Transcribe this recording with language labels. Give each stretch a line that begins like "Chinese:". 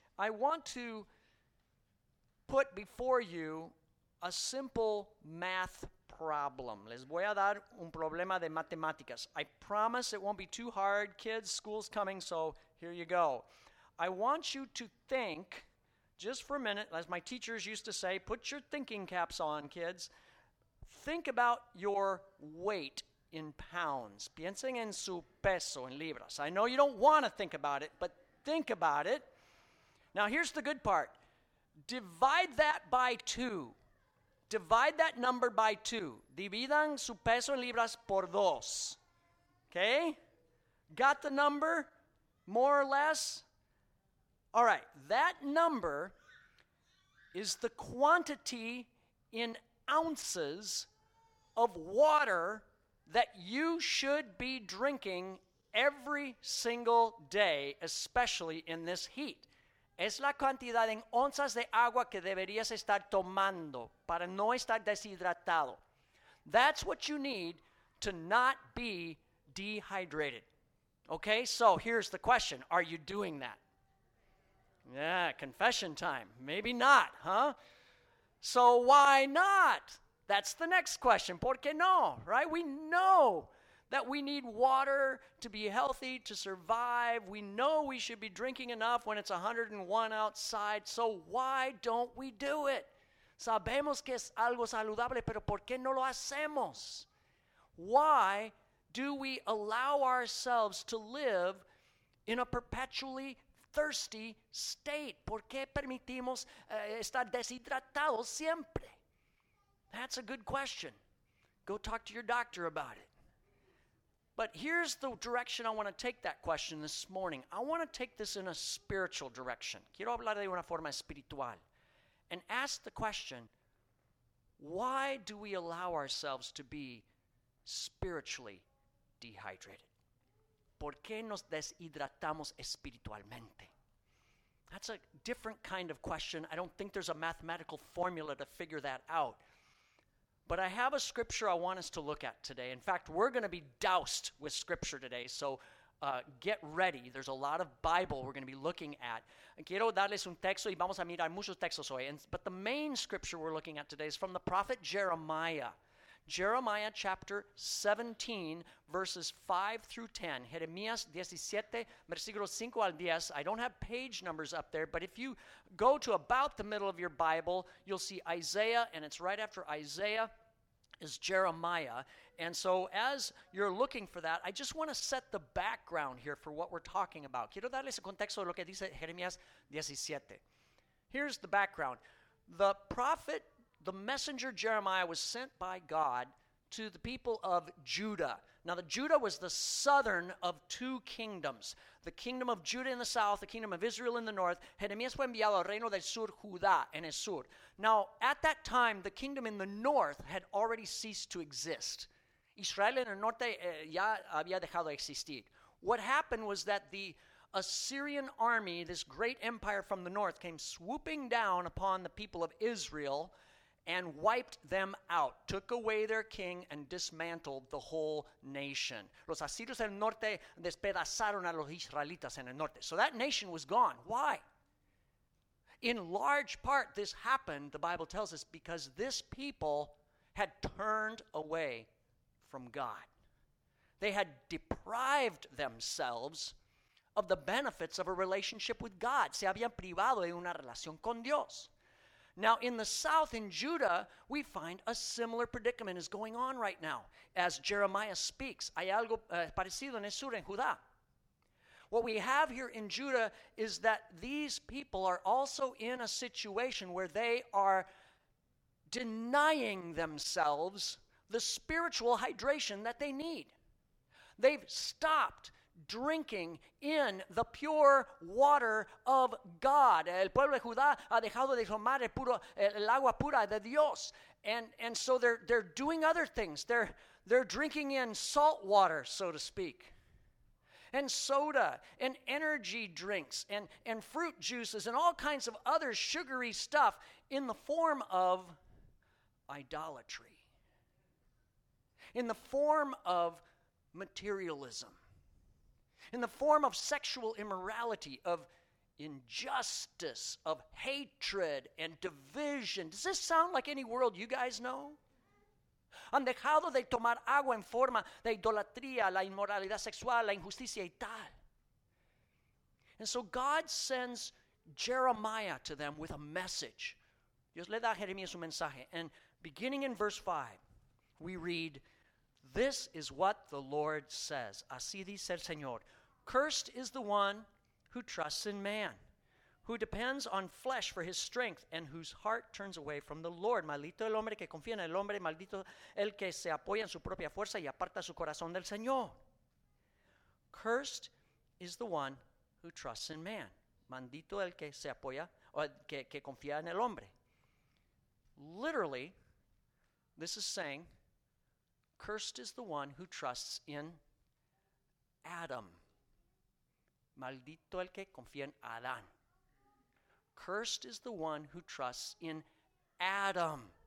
English: I want to put before you a simple math problem.
Spanish: Les voy a dar un problema de matemáticas.
English: I promise it won't be too hard. Kids, school's coming, so here you go. I want you to think, just for a minute, as my teachers used to say, put your thinking caps on, kids. Think about your weight in pounds.
Spanish: Piensen en su peso, en libras.
English: I know you don't want to think about it, but think about it. Now, here's the good part. Divide that by two. Divide that number by two.
Spanish: Dividan su peso en libras por dos.
English: Okay? Got the number? More or less? All right. That number is the quantity in ounces of water that you should be drinking every single day, especially in this heat.
Spanish: Es la cantidad en onzas de agua que deberías estar tomando para no estar deshidratado.
English: That's what you need to not be dehydrated. Okay, so here's the question. Are you doing that? Yeah, confession time. Maybe not, huh? So why not? That's the next question.
Spanish: ¿Por qué no?
English: Right? We know that we need water to be healthy, to survive. We know we should be drinking enough when it's 101 outside. So why don't we do it?
Spanish: Sabemos que es algo saludable, pero ¿por qué no lo hacemos?
English: Why do we allow ourselves to live in a perpetually thirsty state?
Spanish: ¿Por qué permitimos estar deshidratados siempre?
English: That's a good question. Go talk to your doctor about it. But here's the direction I want to take that question this morning. I want to take this in a spiritual direction.
Spanish: Quiero hablar de una forma espiritual.
English: And ask the question, why do we allow ourselves to be spiritually dehydrated?
Spanish: ¿Por qué nos deshidratamos espiritualmente?
English: That's a different kind of question. I don't think there's a mathematical formula to figure that out. But I have a scripture I want us to look at today. In fact, we're going to be doused with scripture today, so get ready. There's a lot of Bible we're going to be looking at.
Spanish: Quiero darles un texto y vamos a mirar muchos textos hoy.
English: But the main scripture we're looking at today is from the prophet Jeremiah. Jeremiah chapter 17, verses 5 through 10.
Spanish: Jeremías 17, versículos 5 al 10.
English: I don't have page numbers up there, but if you go to about the middle of your Bible, you'll see Isaiah, and it's right after Isaiah is Jeremiah. And so as you're looking for that, I just want to set the background here for what we're talking about.
Spanish: Quiero darles el contexto de lo que dice Jeremías 17.
English: Here's the background. The prophet, the messenger Jeremiah was sent by God to the people of Judah. Now, the Judah was the southern of two kingdoms. The kingdom of Judah in the south, the kingdom of Israel in the north.
Spanish: Jeremías fue enviado al reino del sur, Judá, en el sur.
English: Now, at that time, the kingdom in the north had already ceased to exist.
Spanish: Israel en el norte ya había dejado de existir.
English: What happened was that the Assyrian army, this great empire from the north, came swooping down upon the people of Israel and wiped them out, took away their king, and dismantled the whole nation.
Spanish: Los asirios del norte despedazaron a los israelitas en el norte.
English: So that nation was gone. Why? In large part, this happened, the Bible tells us, because this people had turned away from God. They had deprived themselves of the benefits of a relationship with God.
Spanish: Se habían privado de una relación con Dios.
English: Now, in the south, in Judah, we find a similar predicament is going on right now as Jeremiah speaks.
Spanish: Hay algo parecido en el sur, en Judá.
English: What we have here in Judah is that these people are also in a situation where they are denying themselves the spiritual hydration that they need. They've stopped drinking in the pure water of God.
Spanish: El pueblo de Judá ha dejado de tomar el agua pura de Dios.
English: And so they're doing other things. They're drinking in salt water, so to speak, and soda, and energy drinks, and fruit juices, and all kinds of other sugary stuff in the form of idolatry, in the form of materialism, in the form of sexual immorality, of injustice, of hatred and division. Does this sound like any world you guys know?
Spanish: Han dejado de tomar agua en forma de idolatría, la inmoralidad sexual, la injusticia y tal.
English: And so God sends Jeremiah to them with a message.
Spanish: Dios le da a Jeremías un mensaje.
English: And beginning in verse 5, we read, this is what the Lord says.
Spanish: Así dice el Señor.
English: Cursed is the one who trusts in man, who depends on flesh for his strength, and whose heart turns away from the Lord.
Spanish: Maldito el hombre que confía en el hombre, maldito el que se apoya en su propia fuerza y aparta su corazón del Señor.
English: Cursed is the one who trusts in man.
Spanish: Maldito el que se apoya, o que confía en el hombre.
English: Literally, this is saying, cursed is the one who trusts in Adam.
Spanish: Maldito el que confía en Adán.
English: Cursed is the one who trusts in Adam.